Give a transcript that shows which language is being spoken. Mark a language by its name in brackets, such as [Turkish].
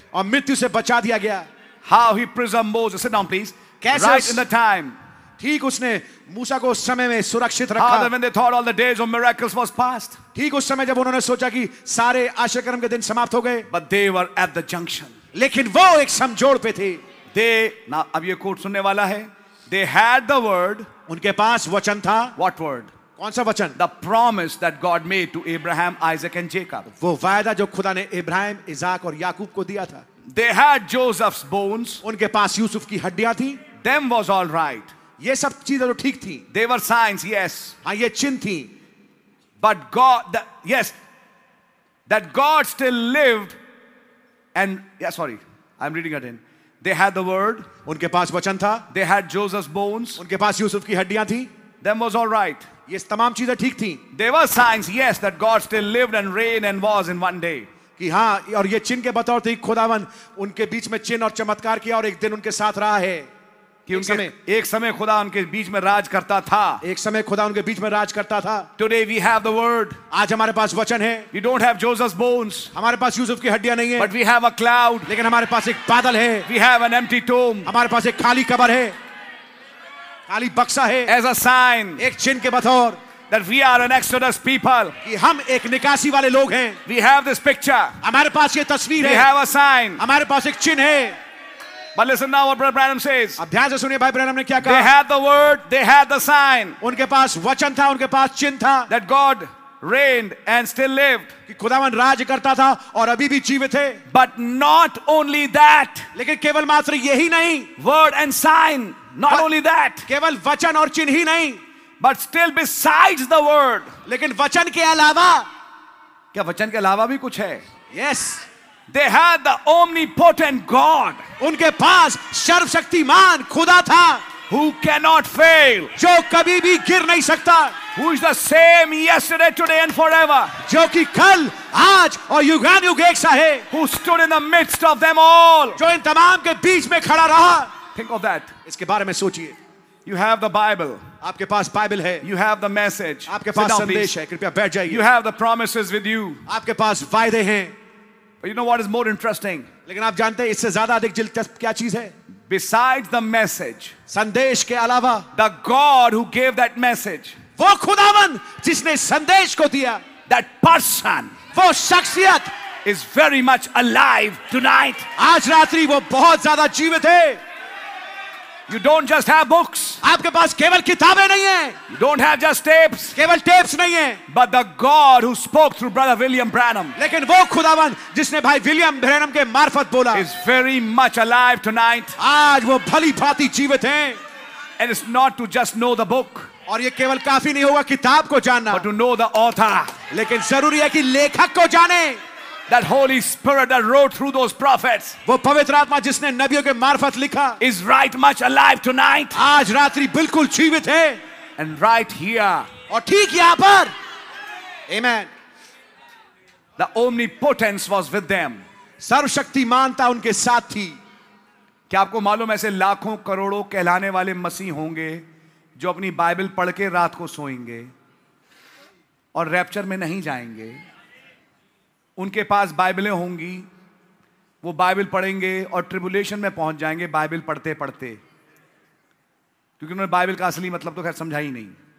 [Hindi] और मृत्यु से बचा दिया गया। [English] How he preserved Moses? Sit down, please. [Hindi] कैसे? [English] Right in the time. [Hindi] ठीक उसने मूसा को उस समय में सुरक्षित रखा। [English] Father, when they thought all the days of miracles was past. [Hindi] ठीक उस समय जब उन्होंने सोचा कि सारे आश्चर्यकर्म के दिन समाप्त हो गए। [English] But they were at the junction. [Hindi] लेकिन वो एक समझौड़ पे थे। [English] They now [Hindi] अब ये कोट सुनने वाला है। [English] They had the word. [Hindi] उनके पास वचन था। [English] What word? [Hindi] कौन सा वचन? [English] The promise that God made to Abraham, Isaac and Jacob. [Hindi] वो वायदा जो खुदा ने इब्राहिम, इज़ाक और याकूब को दिया था। [English] They had Joseph's bones. [Hindi] उनके पास यूसुफ की हड्डियां थी। [English] Them was all right. [Hindi] ये सब चीजें तो ठीक थी। [English] They were signs, yes. [Hindi] हाँ, ये चिन्ह थी। [English] But God, yes, that God still lived. And yeah, sorry, I'm reading again. They had the word. [Hindi] उनके पास वचन था। [English] They had Joseph's bones. [Hindi] उनके पास यूसुफ की हड्डियां थी। [English] Them was all right. [Hindi] ये तमाम चीजें ठीक थी। [English] There were signs, yes, that God still lived and reigned and was in one day. [Hindi] कि हाँ, और ये चिन्ह के बतौर थे, खुदावन उनके बीच में चिन्ह और चमत्कार किया और एक दिन उनके साथ रहा है। कि उनके एक समय खुदा उनके बीच में राज करता था। एक समय खुदा उनके बीच में राज करता था। [English] Today we have the word. [Hindi] आज हमारे पास वचन है। [English] We don't have Joseph's bones. [Hindi] हमारे पास यूसुफ की हड्डियां नहीं है। [English] But we have a cloud. [Hindi] लेकिन हमारे पास एक बादल है। [English] We have an empty tomb. [Hindi] हमारे पास एक खाली कब्र है। [English] As a sign, [Hindi] एक चिन्ह के बतौर, [English] that we are an Exodus people, [Hindi] कि हम एक निकासी वाले लोग हैं, [English] we have this picture, [Hindi] हमारे पास ये तस्वीर है, [English] we have a sign, [Hindi] हमारे पास एक चिन्ह है, [English] but listen now what Brother Branham says, [Hindi] अब ध्यान से सुनिए भाई ब्रैनम ने क्या कहा, [English] they had the word, they had the sign, [Hindi] उनके पास वचन था, उनके पास चिन्ह था, [English] that God reigned and still lived, [Hindi] कि खुदावन राज करता था और अभी भी जीवित है, [English] but not only that, [Hindi] लेकिन केवल मात्र यही नहीं, [English] word and sign. Not only that, [Hindi] केवल वचन और चिन्ह ही नहीं, [English] but still besides the word, [Hindi] लेकिन वचन के अलावा, क्या वचन के अलावा भी कुछ है? [English] Yes, they had the omnipotent God, [Hindi] उनके पास सर्वशक्तिमान खुदा था, [English] who cannot fail, [Hindi] जो कभी भी गिर नहीं सकता, [English] who is the same yesterday, today and forever, [Hindi] जो कि कल, आज और युगान युग एक सा है, [English] who stood in the midst of them all, [Hindi] जो इन तमाम के बीच में खड़ा रहा. [English] Think of that. [Hindi] इसके बारे में सोचिए. [English] You have the Bible. [Hindi] आपके पास बाइबल है. [English] You have the message. [Hindi] आपके पास संदेश है. कृपया बैठ जाइए. [English] You have the promises with you. [Hindi] आपके पास वायदे हैं. [English] But you know what is more interesting? [Hindi] लेकिन आप जानते हैं इससे ज़्यादा अधिक दिलचस्प क्या चीज़ है? [English] Besides the message, [Hindi] संदेश के अलावा, [English] the God who gave that message, [Hindi] वो खुदावन जिसने संदेश को दिया, [English] that person, [Hindi] वो शख्सियत, [English] is very much alive tonight. [Hindi] आज रात्रि वो बहुत ज़्यादा जीवित है. [English] You don't just have books. [Hindi] आपके पास केवल किताबें नहीं हैं. [English] You don't have just tapes. [Hindi] केवल टेप्स नहीं हैं. [English] But the God who spoke through Brother William Branham. [Hindi] लेकिन वो खुदावन जिसने भाई विलियम ब्रैनम के मार्फत बोला. [English] Is very much alive tonight. [Hindi] आज वो भली भांति जीवित हैं. [English] And it's not to just know the book. [Hindi] और ये केवल काफी नहीं होगा किताब को जानना. [English] But to know the author. [Hindi] लेकिन जरूरी है कि लेखक को जाने. [English] That Holy Spirit that wrote through those prophets, [Hindi] वो पवित्र आत्मा जिसने नबियों के मार्फत लिखा, [English] is right much alive tonight. [Hindi] आज रात्रि बिल्कुल जीवित है. [English] And right here, [Hindi] और ठीक यहाँ पर, amen. [English] The omnipotence was with them. [Hindi] सर्वशक्तिमान था उनके साथ थी. क्या आपको मालूम ऐसे लाखों करोड़ों कहलाने वाले मसीह होंगे जो अपनी बाइबल पढ़ के रात को सोएंगे और रैप्चर में नहीं जाएंगे. उनके पास बाइबलें होंगी, वो बाइबल पढ़ेंगे और ट्रिबुलेशन में पहुंच जाएंगे बाइबल पढ़ते पढ़ते, क्योंकि उन्होंने बाइबल का असली मतलब तो खैर समझा ही नहीं.